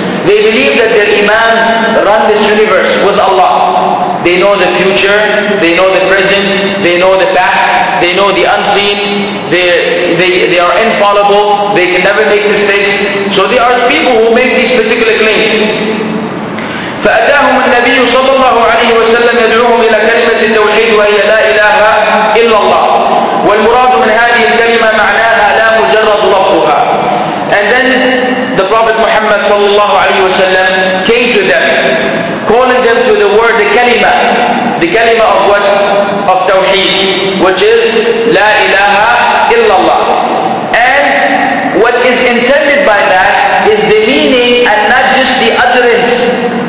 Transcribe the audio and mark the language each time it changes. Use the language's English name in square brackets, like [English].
[English] They believe that their Imams run this universe with Allah. They know the future, they know the present, they know the past, they know the unseen, they are infallible, they can never make mistakes. So they are the people who make these particular claims. [Arabic] فأتاهم النبي صلى الله عليه وسلم يدعوهم إلى كلمة التوحيد وهي لا إله إلا الله. والمراد من هذه الكلمة معناها لا مجرد لفظها. [English] And then the Prophet Muhammad صلى الله عليه وسلم came to them, calling them to the word the kalima of what? Of tawheed, which is [Arabic] لا إله إلا الله. [English] And what is intended by that is the meaning and not just the utterance.